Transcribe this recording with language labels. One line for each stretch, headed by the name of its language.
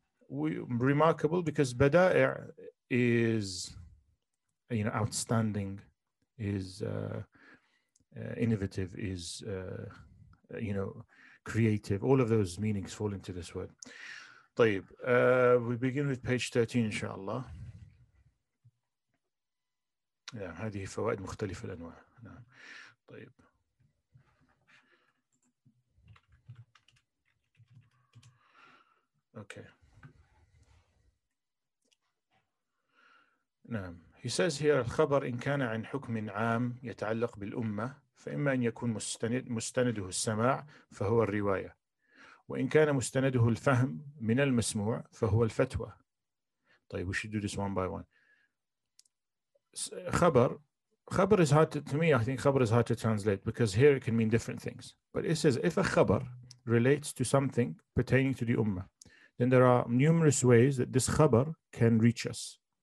English: Remarkable because bada'i is, you know, outstanding, is innovative, is, you know, creative. All of those meanings fall into this word. Tayyib. We begin with page 13, inshallah.
Arabic: Yeah, هذه فوائد مختلفة الأنواع.
English: Okay.
Arabic: نعم.
English: He says here,
Arabic: الخبر إن كان عن حكم عام يتعلق بالأمة فإما أن يكون مستنده السماع فهو الرواية وإن كان مستنده الفهم من المسموع فهو الفتوى.
English: طيب, we should do this one by one. خبر. Khabar is hard to me. I think khabar is hard to translate because here it can mean different things. But it says if a khabar relates to something pertaining to the ummah, then there are numerous ways that this khabar can reach us.